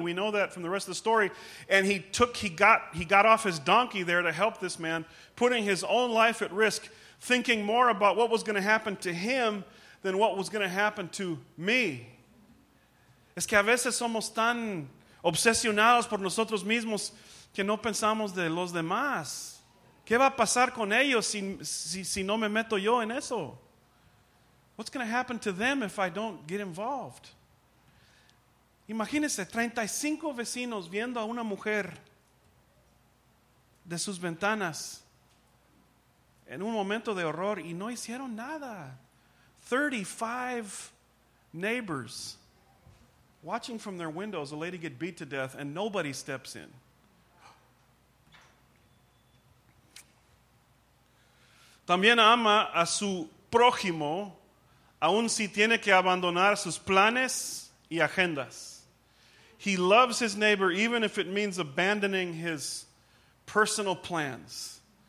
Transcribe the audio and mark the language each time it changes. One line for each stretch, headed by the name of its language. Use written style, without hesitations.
English: We know that from the rest of the story. And he got off his donkey there to help this man, putting his own life at risk, thinking more about what was going to happen to him than what was going to happen to me.
Spanish: Es que a veces somos tan obsesionados por nosotros mismos que no pensamos de los demás. ¿Qué va a pasar con ellos si no me meto yo en eso?
English: What's going to happen to them if I don't get involved?
Spanish: Imagínense, 35 vecinos viendo a una mujer de sus ventanas en un momento de horror y no hicieron nada.
English: 35 neighbors watching from their windows a lady get beat to death and nobody steps in.
Spanish: También ama a su prójimo aun si tiene que abandonar sus planes y agendas.
English: He loves his neighbor even if it means abandoning his personal plans.